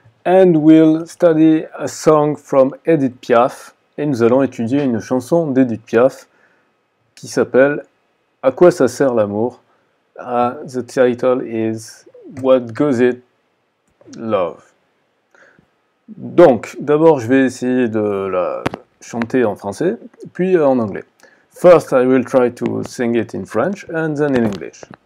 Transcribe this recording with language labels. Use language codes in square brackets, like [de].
[en] And we'll study a song from Edith Piaf. [fr] Et nous allons étudier une chanson d'Edith Piaf qui s'appelle À quoi ça sert l'amour? [en] The title is What Goes It Love? [fr] Donc, d'abord, je vais essayer de la chanter en français, puis en anglais. [en] First, I will try to sing it in French, and then in English.